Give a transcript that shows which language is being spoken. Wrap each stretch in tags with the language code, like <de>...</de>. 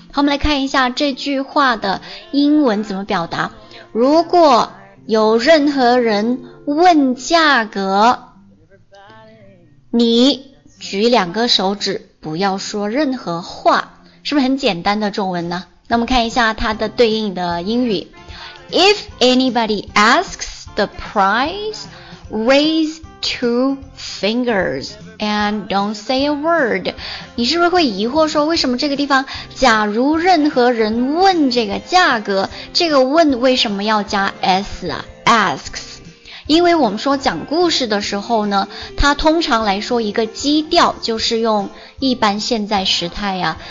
<zh>好，我们来看一下这句话的英文怎么表达。如果有任何人问价格，你举两个手指，不要说任何话，是不是很简单的中文呢？那我们看一下它的对应的英语。</zh> <en>If anybody asks the price, raise two fingers and don't say a word.</en> <zh>你是不是会疑惑说为什么这个地方假如任何人问这个价格，这个问为什么要加 s 啊？ asks，因为我们说讲故事的时候呢，它通常来说一个基调就是用一般现在时态呀。</zh>